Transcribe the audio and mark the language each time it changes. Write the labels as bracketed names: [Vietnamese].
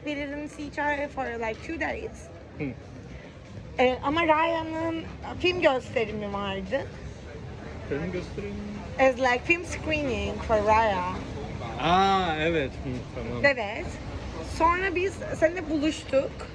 [English] We didn't see each other for like 2 days. [Turkish] ama Ryan'ın film gösterimi vardı. Film gösterimi? [English] It's like film screening for Raya. [Turkish] Aa evet. Tamam. Evet. Sonra biz seninle buluştuk.